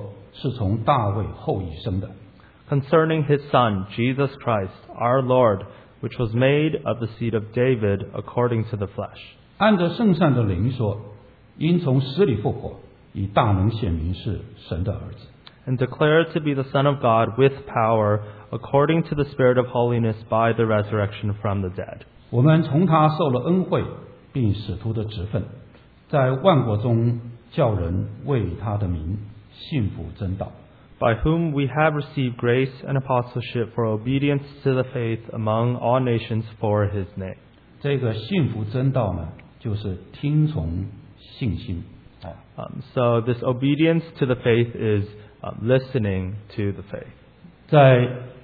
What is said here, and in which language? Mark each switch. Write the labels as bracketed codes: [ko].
[zh] 论到他儿子,我主耶稣基督,按肉体说,是从大卫后裔生的。 [en] Concerning his son, Jesus Christ, our Lord, which was made of the seed of David according to the flesh. [zh] 按着圣善的灵说,因从死里复活,以大能显明是神的儿子。 [en] And declared to be the Son of God with power, according to the Spirit of holiness by the resurrection from the dead. [zh] 我们从他受了恩惠,并使徒的职分,在万国中叫人为他的名,信服真道。 [en] By whom we have received grace and apostleship for obedience to the faith among all nations for his name. [zh] 这个信服真道呢,就是听从信心。 [en] So this obedience to the faith is listening to the faith.